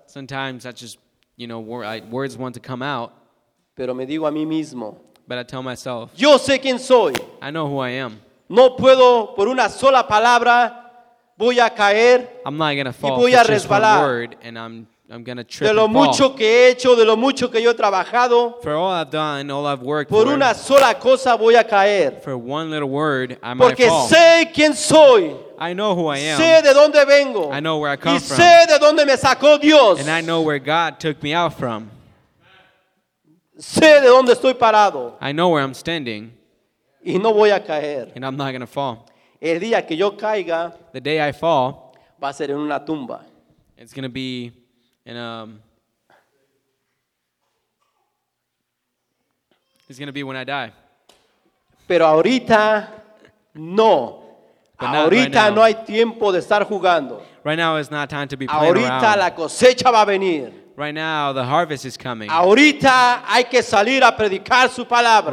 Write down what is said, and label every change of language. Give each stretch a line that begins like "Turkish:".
English: Sometimes I just, you know, words want to come out.
Spanish: Pero me digo a mí mismo.
English: But I tell myself.
Spanish: Yo sé quién soy.
English: I know who I am.
Spanish: No puedo por una sola palabra voy a caer.
English: I'm not gonna fall.
Spanish: Y voy a resbalar.
English: Just one word and I'm gonna trip.
Spanish: De lo mucho que he hecho, de lo mucho que yo he trabajado.
English: For all I've done, all I've worked for.
Spanish: Por una sola cosa voy a caer.
English: For one little word, I might fall.
Spanish: Porque sé quién soy.
English: I know who I am.
Spanish: Sé de dónde vengo.
English: I know where I come
Spanish: y
English: from.
Spanish: Y sé de dónde me sacó Dios.
English: And I know where God took me out from.
Spanish: Sé de dónde estoy parado.
English: I know where I'm standing.
Spanish: Y no voy a caer.
English: And I'm not gonna fall.
Spanish: El día que yo caiga,
English: the day I fall,
Spanish: va a ser en una tumba.
English: It's gonna be. And it's gonna be when I die.
Spanish: Pero ahorita no.
English: But
Spanish: ahorita
English: right
Spanish: no hay tiempo de estar jugando.
English: Right now is not time to be playing
Spanish: ahorita
English: around.
Spanish: La cosecha va a venir.
English: Right now the harvest is coming.
Spanish: Ahorita hay que salir a predicar su palabra.